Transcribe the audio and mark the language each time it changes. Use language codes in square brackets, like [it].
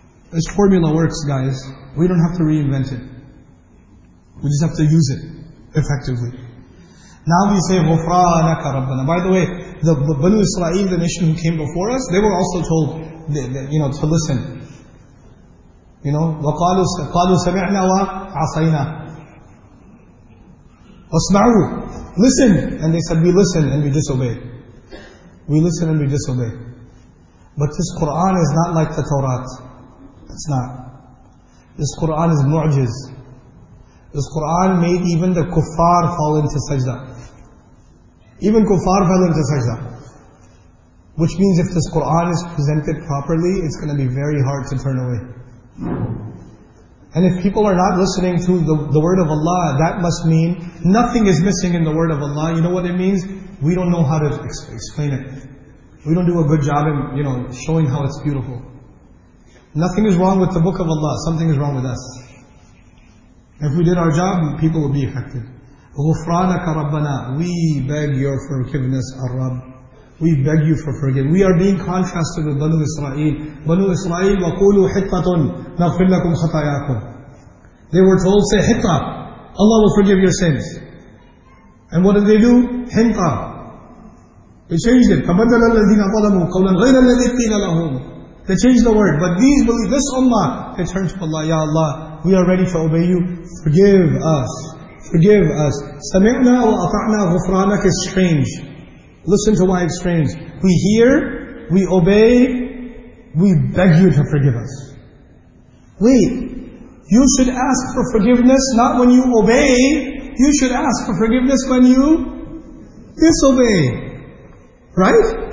[en] This formula works, guys. We don't have to reinvent it. We just have to use it effectively. Now we say, [ar] غُفْرَانَكَ رَبَّنَا. [en] By the way, the Banu Israel, the nation who came before us, they were also told that, you know, to listen. You know, [ar] وَقَالُوا سَمِعْنَا وَعَصَيْنَا وَاسْمَعُوا. [en] Listen. And they said, we listen and we disobey. We listen and we disobey. But this Quran is not like the Torah. It's not. This Quran is mu'jiz. This Quran made even the kuffar fall into sajda. Even kuffar fell into sajda. Which means if this Quran is presented properly, it's going to be very hard to turn away. And if people are not listening to the word of Allah, that must mean nothing is missing in the word of Allah. You know what it means? We don't know how to explain it. We don't do a good job in, you know, showing how it's beautiful. Nothing is wrong with the book of Allah. Something is wrong with us. If we did our job, people would be affected. [ar] غُفْرَانَكَ رَبَّنَا. [en] We beg your forgiveness, Ar-Rabb. We beg you for forgiveness. We are being contrasted with Banu Israel. Banu Israel, [ar] وَقُولُوا حِطَّةٌ نَغْفِرْ لَكُمْ خَطَيَاكُمْ. [en] They were told, say, Hitta. Allah will forgive your sins. And what did they do? Hinta. They changed it. [ar] تَبَدَّلَ الَّذِينَ ظَلَمُوا قَوْلًا غَيْرَ الَّذِي قِيلَ لَهُمْ. [en] They changed the word. But these believe, this Ummah, they turn to Allah, Ya Allah, we are ready to obey you. Forgive us. Forgive us. [ar] سَمِعْنَا وَأَطَعْنَا غُفْرَانَكَ [en] is strange. Listen to why it's strange. We hear, we obey, we beg you to forgive us. Wait. You should ask for forgiveness not when you obey. You should ask for forgiveness when you disobey. Right?